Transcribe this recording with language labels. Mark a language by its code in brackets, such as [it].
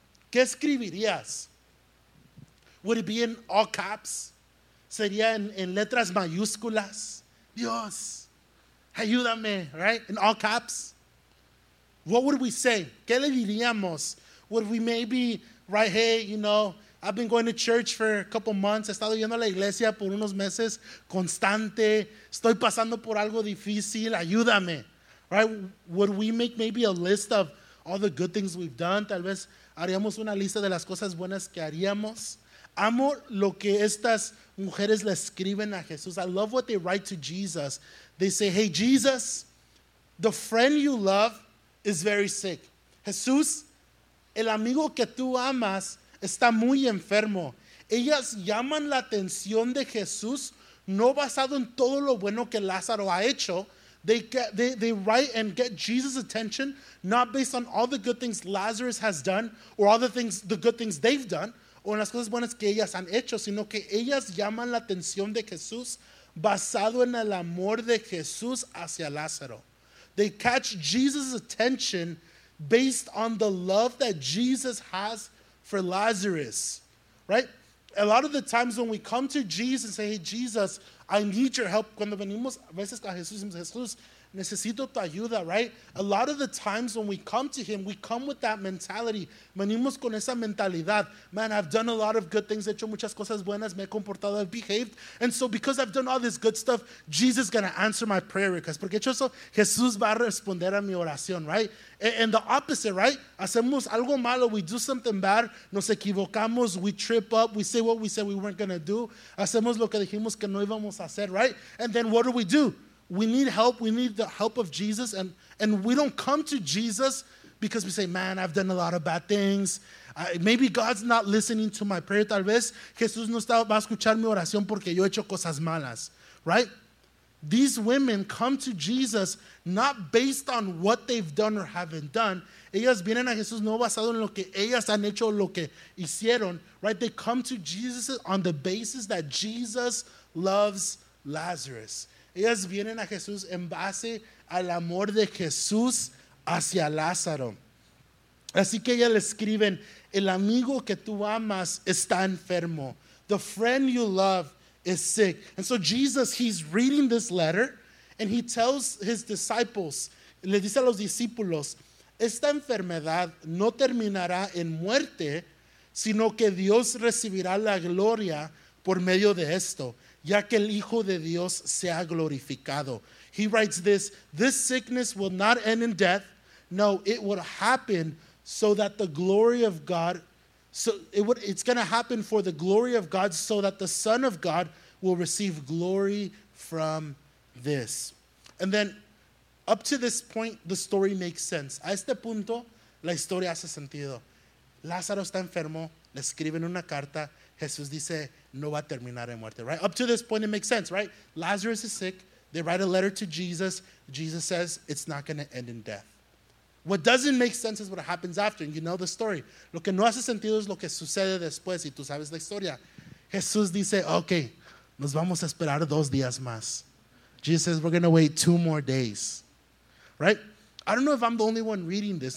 [es] ¿Qué escribirías? [en] Would it be in all caps? [es] ¿Sería en letras mayúsculas? Dios, ayúdame, [en] right? In all caps? What would we say? [es] ¿Qué le diríamos? [en] Would we maybe write, hey, you know, I've been going to church for a couple months. [es] He estado yendo a la iglesia por unos meses constante. Estoy pasando por algo difícil. Ayúdame. Right? [en] Would we make maybe a list of all the good things we've done? [es] Tal vez haríamos una lista de las cosas buenas que haríamos. Amo lo que estas mujeres le escriben a Jesús. [en] I love what they write to Jesus. They say, hey, Jesus, the friend you love is very sick. Jesús, [es] El amigo que tú amas está muy enfermo. Ellas llaman la atención de Jesús no basado en todo lo bueno que Lázaro ha hecho. [en] They write and get Jesus' attention not based on all the good things Lazarus has done or all the good things they've done [es] o en las cosas buenas que ellas han hecho, sino que ellas llaman la atención de Jesús basado en el amor de Jesús hacia Lázaro. [en] They catch Jesus' attention based on the love that Jesus has for Lazarus, right? A lot of the times when we come to Jesus and say, hey, Jesus, I need your help. [es] Cuando venimos a veces a Jesús, decimos, Jesús, necesito tu ayuda, right? [en] A lot of the times when we come to him, we come with that mentality. [es] Venimos con esa mentalidad. [en] Man, I've done a lot of good things. [es] He hecho muchas cosas buenas. Me he comportado, [en] I've behaved. And so because I've done all this good stuff, Jesus is going to answer my prayer request. [es] Porque hecho eso, Jesús va a responder a mi oración, right? [en] And the opposite, right? [es] Hacemos algo malo. [en] We do something bad. [es] Nos equivocamos. [en] We trip up. We say what we said we weren't going to do. [es] Hacemos lo que dijimos que no íbamos a hacer, [en] right? And then what do? We need help. We need the help of Jesus. And we don't come to Jesus because we say, man, I've done a lot of bad things. Maybe God's not listening to my prayer. [es] Tal vez Jesús no está, va a escuchar mi oración porque yo he hecho cosas malas. [en] Right? These women come to Jesus not based on what they've done or haven't done. [es] Ellas vienen a Jesús no basado en lo que ellas han hecho o lo que hicieron. [en] Right? They come to Jesus on the basis that Jesus loves Lazarus. [es] Ellas vienen a Jesús en base al amor de Jesús hacia Lázaro. Así que ellas le escriben, el amigo que tú amas está enfermo. [en] The friend you love is sick. And so Jesus, he's reading this letter, and he tells his disciples, [es] le dice a los discípulos, esta enfermedad no terminará en muerte, sino que Dios recibirá la gloria por medio de esto. Ya que el Hijo de Dios sea glorificado. [en] He writes this, this sickness will not end in death. No, it will happen so that the glory of God, it's going to happen for the glory of God so that the Son of God will receive glory from this. And then up to this point, the story makes sense. [es] A este punto, la historia hace sentido. Lázaro está enfermo, le escriben una carta. Jesús dice, no va a terminar en muerte, [en] right? Up to this point, it makes sense, right? Lazarus is sick. They write a letter to Jesus. Jesus says, it's not going to end in death. What doesn't make sense is what happens after. And you know the story. [es] Lo que no hace sentido es lo que sucede después. Y tú sabes la historia. Jesús dice, okay, nos vamos a esperar dos días más. [en] Jesus says, we're going to wait two more days, right? I don't know if I'm the only one reading this.